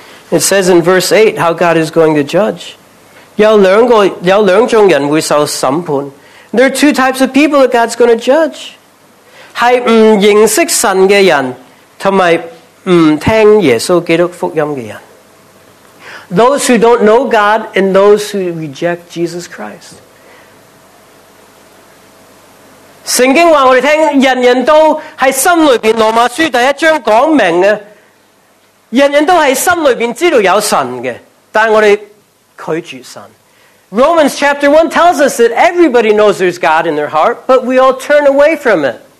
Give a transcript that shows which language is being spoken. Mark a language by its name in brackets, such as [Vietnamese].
[English] It says in verse 8 how God is going to judge. [Chinese] 有两种人会受审判。 [English] There are two types of people that God's going to judge. [Chinese] 是不认识神的人，和不听耶稣基督福音的人。 [English] Those who don't know God and those who reject Jesus Christ. [Chinese] 圣经告诉我们，人人都在心里面，罗马书第一章讲明的，人人都在心里面知道有神的，但我们拒绝神。 [English] Romans chapter 1 tells us that everybody knows there's God in their heart, but we all turn away from it.